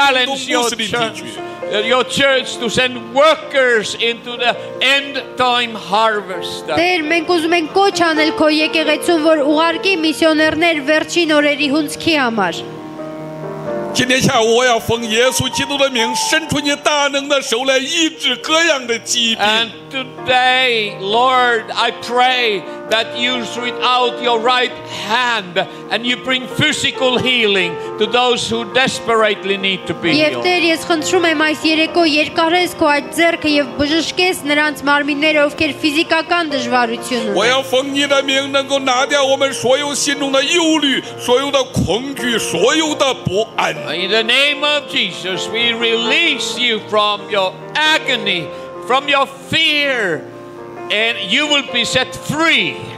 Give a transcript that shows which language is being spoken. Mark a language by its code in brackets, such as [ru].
[en] Your church to send workers into the end time harvest. [hy] Դեր մենք ուզում ենք կոչ անել քո եկեղեցուն, որ ուղարկի միսիոներներ վերջին օրերի հունցքի համար. [zh] 今天下午我要奉耶稣基督的名伸出你大能的手来医治各样的疾病。 [en] And today, Lord, I pray that you stretch out your right hand and you bring physical healing to those who desperately need to be healed. [hy] Եթե ես խնդրում եմ այս երեկո երկարես քո այդ ձեռքը եւ բժշկես նրանց մարմինները, ովքեր ֆիզիկական դժվարություն ունեն. [zh] 我要奉你的名能够拿掉我们所有心中的忧虑、所有的恐惧、所有的不安。 [en] In the name of Jesus, we release you from your agony, from your fear, and you will be set free.